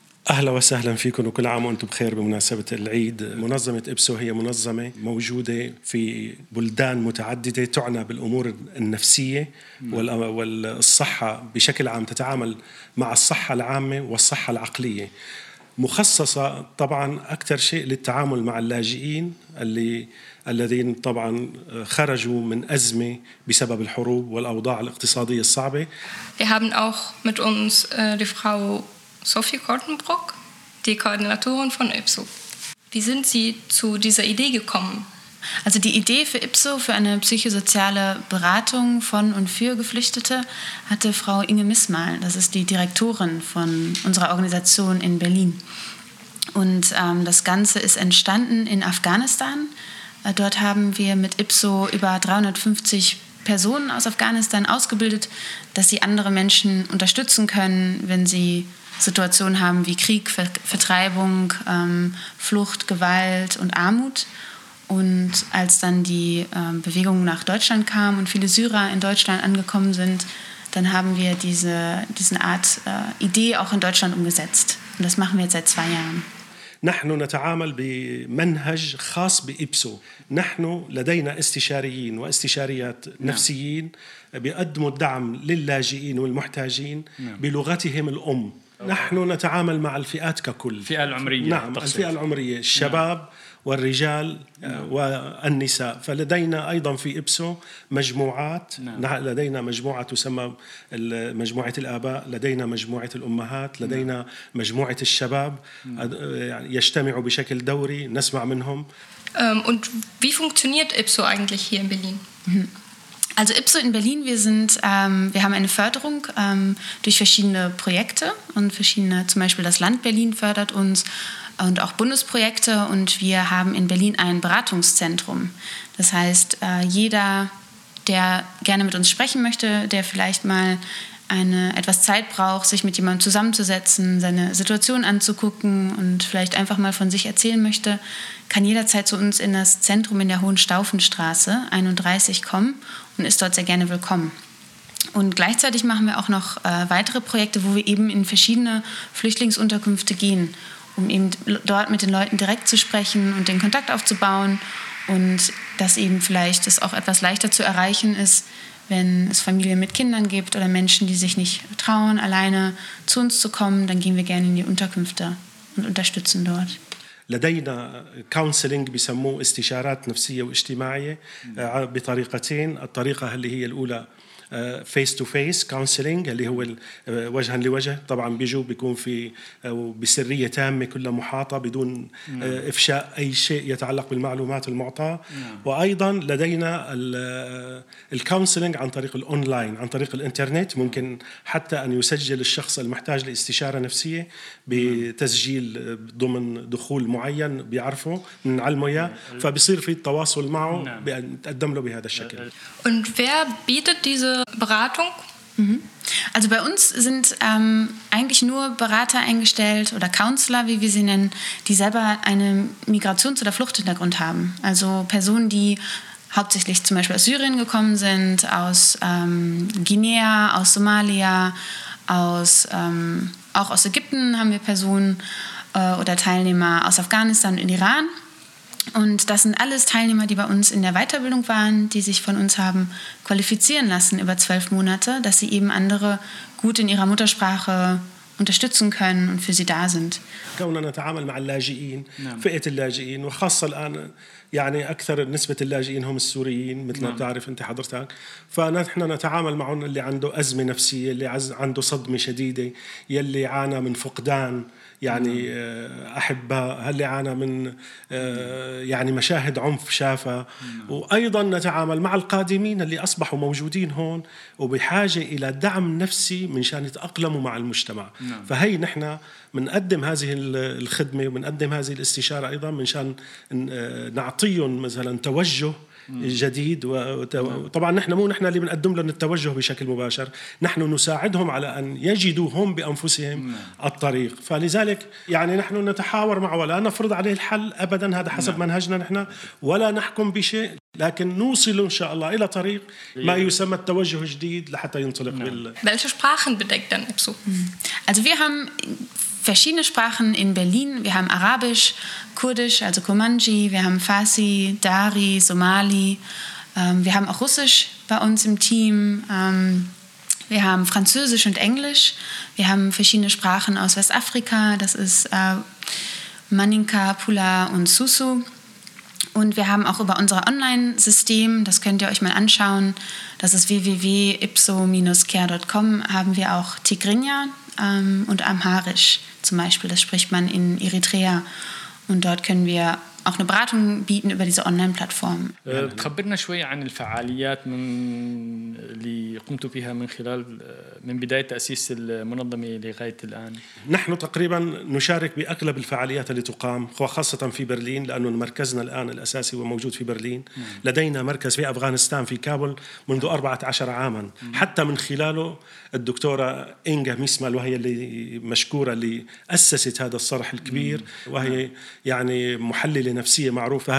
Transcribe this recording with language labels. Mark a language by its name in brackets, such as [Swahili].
[Arabic] أهلا وسهلا فيكم وكل عام وأنتم بخير بمناسبة العيد. منظمة إبسو هي منظمة موجودة في بلدان متعددة تعنى بالأمور النفسية والصحة بشكل عام، تتعامل مع الصحة العامة والصحة العقلية، مخصصة طبعا أكثر شيء للتعامل مع اللاجئين الذين طبعا خرجوا من أزمة بسبب الحروب والأوضاع الاقتصادية الصعبة. [German] Wir haben auch mit uns die Frau Sophie Koltenbrock, die Koordinatorin von IPSO. Wie sind Sie zu dieser Idee gekommen? Also die Idee für IPSO, für eine psychosoziale Beratung von und für Geflüchtete, hatte Frau Inge Missmal. Das ist die Direktorin von unserer Organisation in Berlin. Und das Ganze ist entstanden in Afghanistan. Dort haben wir mit IPSO über 350 Personen aus Afghanistan ausgebildet, dass sie andere Menschen unterstützen können, wenn sie Situationen haben wie Krieg, Vertreibung, Flucht, Gewalt und Armut. Und als dann die Bewegung nach Deutschland kam und viele Syrer in Deutschland angekommen sind, dann haben wir diese Art Idee auch in Deutschland umgesetzt. Und das machen wir jetzt seit 2 Jahren. [Arabic] نحن نتعامل بمنهج خاص بإبسو. نحن لدينا استشاريين واستشاريات نفسيين بيقدموا الدعم للاجئين والمحتاجين بلغتهم الأم. نحن نتعامل مع الفئات ككل، الفئة العمرية، نعم، الفئة العمرية، الشباب والرجال والنساء. فلدينا أيضا في إبسو مجموعات، نعم. لدينا مجموعة تسمى مجموعة الآباء، لدينا مجموعة الأمهات، لدينا مجموعة الشباب، يجتمعوا بشكل دوري نسمع منهم. [German] Und wie funktioniert IPSO eigentlich hier in Berlin? Also IPSO in Berlin, wir haben eine Förderung durch verschiedene Projekte und verschiedene, zum Beispiel das Land Berlin fördert uns und auch Bundesprojekte, und wir haben in Berlin ein Beratungszentrum. Das heißt, jeder, der gerne mit uns sprechen möchte, der vielleicht mal etwas Zeit braucht, sich mit jemandem zusammenzusetzen, seine Situation anzugucken und vielleicht einfach mal von sich erzählen möchte, kann jederzeit zu uns in das Zentrum in der Hohenstaufenstraße 31 kommen und ist dort sehr gerne willkommen. Und gleichzeitig machen wir auch noch weitere Projekte, wo wir eben in verschiedene Flüchtlingsunterkünfte gehen, um eben dort mit den Leuten direkt zu sprechen und den Kontakt aufzubauen, und dass eben vielleicht es auch etwas leichter zu erreichen ist, wenn es Familien mit Kindern gibt oder Menschen, die sich nicht trauen, alleine zu uns zu kommen, dann gehen wir gerne in die Unterkünfte und unterstützen dort. [Arabic] لدينا كونسلينج بيسموه استشارات نفسية واجتماعية بطريقتين. الطريقة اللي هي الأولى [English] face to face counseling [Arabic] اللي هو وجها لوجه، طبعا بيجوا بيكون في بسرية تامة كل محاطة بدون إفشاء أي شيء يتعلق بالمعلومات المعطاة. وأيضا لدينا الكونسلينج عن طريق الأونلاين عن طريق الإنترنت، ممكن حتى أن يسجل الشخص المحتاج لاستشارة نفسية بتسجيل ضمن دخول معين بيعرفه من علمية، فبيصير في التواصل معه بأن تقدم له بهذا الشكل. [German] Und wer bietet diese Beratung? Also bei uns sind eigentlich nur Berater eingestellt oder Counselor, wie wir sie nennen, die selber einen Migrations- oder Fluchthintergrund haben. Also Personen, die hauptsächlich zum Beispiel aus Syrien gekommen sind, aus Guinea, aus Somalia, auch aus Ägypten haben wir Personen oder Teilnehmer aus Afghanistan und Iran. Und das sind alles Teilnehmer, die bei uns in der Weiterbildung waren, die sich von uns haben qualifizieren lassen über 12 Monate, dass sie eben andere gut in ihrer Muttersprache unterstützen können und für sie da sind. [Arabic] كوننا نتعامل مع اللاجئين، فئة اللاجئين، وخاصة الآن يعني أكثر نسبة اللاجئين هم السوريين مثل ما تعرف أنت حضرتك، فنحن نتعامل معهم اللي عنده أزمة نفسية، اللي عنده صدمة شديدة، يلي عانى من فقدان يعني أحبها، هل عانى من يعني مشاهد عنف شافها، وأيضا نتعامل مع القادمين اللي أصبحوا موجودين هون وبحاجة إلى دعم نفسي منشان يتأقلموا مع المجتمع. فهي نحن منقدم هذه الخدمة ومنقدم هذه الاستشارة أيضا منشان نعطيهم مثلا توجه جديد. وطبعا نحن مو نحن اللي بنقدم لهم التوجه بشكل مباشر، نحن نساعدهم على أن يجدوا هم بأنفسهم الطريق. فلذلك يعني نحن نتحاور معه ولا نفرض عليه الحل أبدا، هذا حسب منهجنا نحن، ولا نحكم بشيء، لكن نوصل إن شاء الله إلى طريق ما يسمى التوجه الجديد لحتى ينطلق. [German] Welche Sprachen bedeckt dann IPSO? Also wir haben verschiedene Sprachen in Berlin. Wir haben Arabisch, Kurdisch, also Kurmanji, wir haben Farsi, Dari, Somali, wir haben auch Russisch bei uns im Team, wir haben Französisch und Englisch, wir haben verschiedene Sprachen aus Westafrika, das ist Maninka, Pula und Susu. Und wir haben auch über unser Online-System, das könnt ihr euch mal anschauen, das ist www.ipso-care.com, haben wir auch Tigrinya und Amharisch zum Beispiel. Das spricht man in Eritrea. Und dort können wir auch eine Beratung bieten über diese Online-Plattform. [Arabic] تخبرنا شوية عن الفعاليات اللي قمتوا فيها من بداية تأسيس المنظمة لغاية الآن. نحن تقريبا نشارك بأغلب الفعاليات اللي تقام، وخاصة في برلين لأنه مركزنا الآن الأساسي وموجود في برلين. لدينا مركز في أفغانستان في كابل منذ 14 عاما، حتى من خلاله الدكتورة إنجا ميسمال، وهي اللي مشكورة اللي أسست هذا الصرح الكبير، وهي يعني محللة نفسية معروفة.